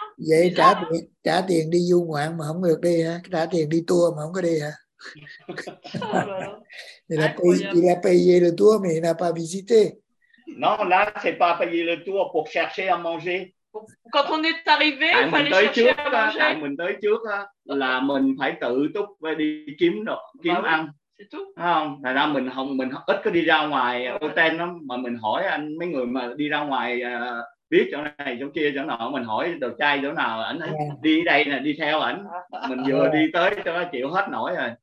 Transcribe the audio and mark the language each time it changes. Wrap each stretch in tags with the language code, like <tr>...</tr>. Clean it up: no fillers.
<vi>Vậy trả tiền đi du ngoạn mà không được đi hả? Trả tiền đi tour mà không có đi hả?</vi> <fr>Il a payé le tour mais il n'a pas visité. Non, là c'est pas payer le tour pour chercher à manger. Quand on est arrivé, il fallait chercher à manger.</fr> <vi>Mình tới trước là mình phải tự túc và đi kiếm đồ, kiếm ăn. Không, thành ra mình ít có đi ra ngoài hotel lắm, mà mình hỏi anh mấy người mà đi ra ngoài biết chỗ này chỗ kia chỗ nọ, mình hỏi đồ chai chỗ nào ảnh đi đây nè, đi theo ảnh, mình vừa đi tới cho nó chịu hết nổi rồi.</vi>